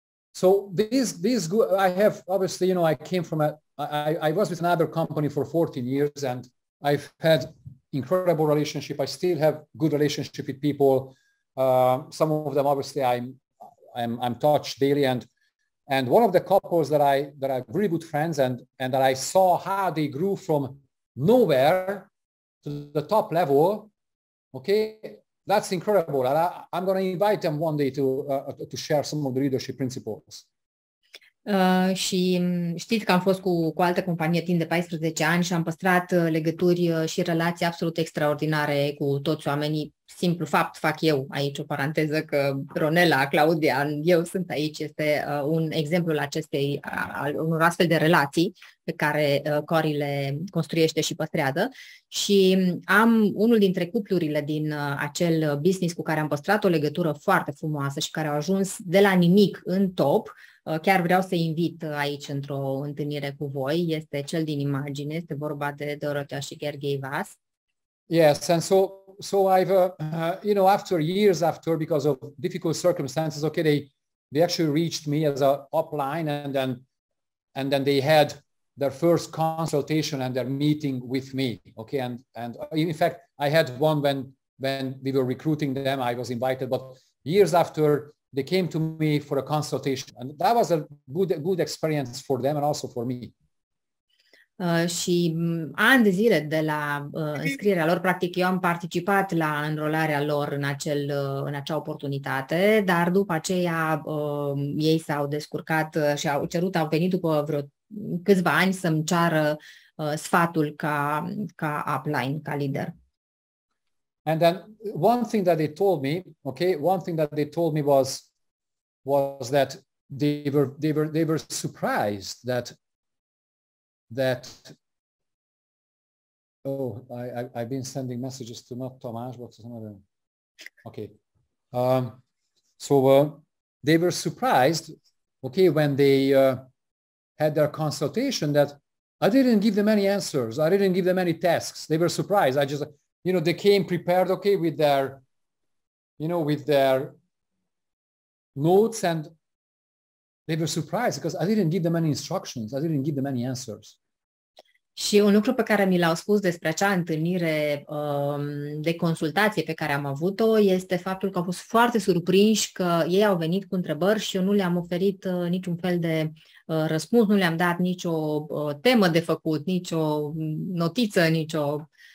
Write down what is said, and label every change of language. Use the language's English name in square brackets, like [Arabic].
[English] So this I have obviously, you know, I came from I was with another company for 14 years and I've had incredible relationship. I still have good relationship with people. Some of them, obviously, I'm touched daily. And one of the couples that are really good friends and that I saw how they grew from nowhere to the top level. Okay, that's incredible. And I'm going to invite them one day to share some of the leadership principles. [Romanian] Și știți că am fost cu altă companie timp de 14 ani și am păstrat legături și relații absolut extraordinare cu toți oamenii. Simplu fapt, fac eu aici o paranteză, că Ronella, Claudia, eu sunt aici, este un exemplu al unor astfel de relații pe care Cori le construiește și păstrează. Și am unul dintre cuplurile din acel business cu care am păstrat o legătură foarte frumoasă și care au ajuns de la nimic în top. Chiar vreau să-i invit aici într-o întâlnire cu voi. Este cel din imagine, este vorba de Dorotea și Gergei Vas. [English] Yes, and so I've you know, after years, after, because of difficult circumstances, okay, they actually reached me as a upline, and then they had their first consultation and their meeting with me, okay, and in fact I had one when we were recruiting them, I was invited, but years after they came to me for a consultation, and that was a good experience for them and also for me. [Romanian] Și ani de zile de la înscrierea lor, practic eu am participat la înrolarea lor în acea oportunitate, dar după aceea ei s-au descurcat și au venit după vreo câțiva ani să-mi ceară sfatul ca upline, ca lider. [English] And then one thing that they told me, okay, one thing that they told me was that they were surprised that I've been sending messages to not Tomás, but to some other. Okay. They were surprised, okay, when they had their consultation that I didn't give them any answers. I didn't give them any tasks. They were surprised. I just, you know, they came prepared, okay, with their, you know, with their notes, and they were surprised because I didn't give them any instructions. I didn't give them any answers. [Romanian] Și un lucru pe care mi l-au spus despre acea întâlnire de consultație pe care am avut-o este faptul că au fost foarte surprinși că ei au venit cu întrebări și eu nu le-am oferit niciun fel de răspuns, nu le-am dat nicio temă de făcut, nicio notiță, nicio...